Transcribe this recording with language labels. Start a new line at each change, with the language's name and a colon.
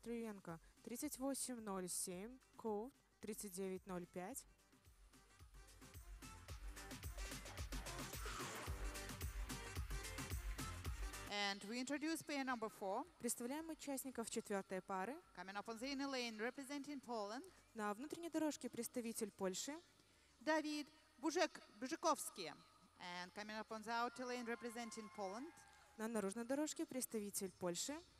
English: Drivenga 38-07, Kot 39-05. And we introduce pair number four.
Russian: Представляем участников четвертой пары.
English: Coming up on the inner lane, representing Poland.
Russian: На внутренней дорожке представитель Польши. Давид Бужиковский.
English: And coming up on the outer lane, representing Poland.
Russian: На наружной дорожке представитель Польши.